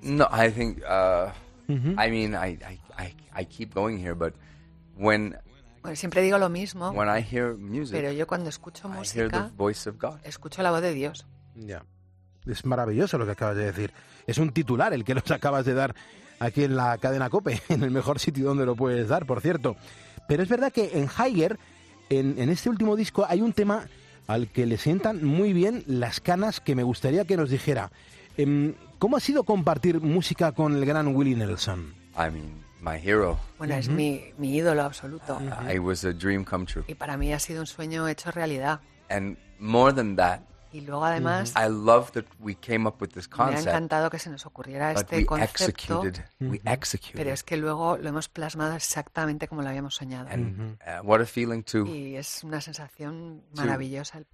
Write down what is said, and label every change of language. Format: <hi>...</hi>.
<en>No, I think, I mean, I keep going here, but when,</en> <es>bueno, siempre digo lo mismo,</es> <en>when I hear music,</en> <es>pero yo cuando escucho música,</es> <en>I hear the voice of God.</en> <es>Escucho la voz de Dios.</es> <en>Yeah.</en> <es>Es maravilloso lo que acabas de decir. Es un titular el que nos acabas de dar aquí en la cadena COPE, en el mejor sitio donde lo puedes dar, por cierto. Pero es verdad que en Higher, en este último disco, hay un tema al que le sientan muy bien las canas que me gustaría que nos dijera. ¿Cómo ha sido compartir música con el gran Willie Nelson?</es> <en>I mean, my hero.</en> <es>Bueno, es mi ídolo absoluto.</es> <en>It was a dream come true.</en> <es>Y para mí ha sido un sueño hecho realidad.</es> <en>And more than that,</en> <es>Y luego además</es> <en>I love that we came up with this concept,</en> <es>me ha encantado que se nos ocurriera este concepto, pero es que luego lo hemos plasmado exactamente como lo habíamos soñado.</es> <en>And, what a feeling to,</en> <es>y es una sensación maravillosa</es>